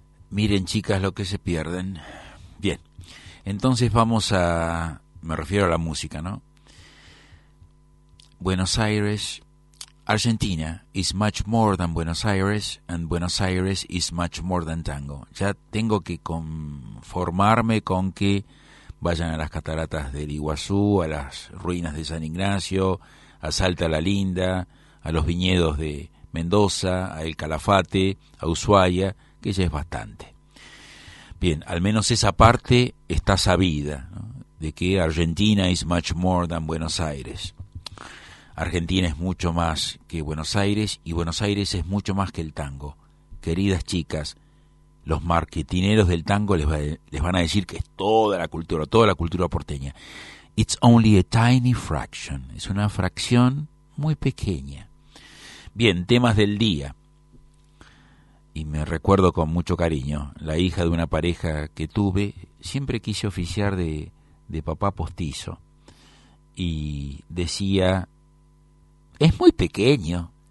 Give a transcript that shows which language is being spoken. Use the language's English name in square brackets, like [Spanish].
[Spanish] Miren, chicas, lo que se pierden. Bien, entonces vamos a... Me refiero a la música, ¿no? [English] Buenos Aires, Argentina, is much more than Buenos Aires, and Buenos Aires is much more than tango. [Spanish] Ya tengo que conformarme con que vayan a las cataratas del Iguazú, a las ruinas de San Ignacio, a Salta la Linda, a los viñedos de Mendoza, a El Calafate, a Ushuaia, que ya es bastante. Bien, al menos esa parte está sabida, ¿no?, de que Argentina [English] is much more than Buenos Aires. [Spanish] Argentina es mucho más que Buenos Aires, y Buenos Aires es mucho más que el tango. Queridas chicas, los marketineros del tango les van a decir que es toda la cultura porteña. [English] It's only a tiny fraction. [Spanish] Es una fracción muy pequeña. Bien, temas del día. Y me recuerdo con mucho cariño, la hija de una pareja que tuve, siempre quise oficiar de papá postizo. Y decía, es muy pequeño.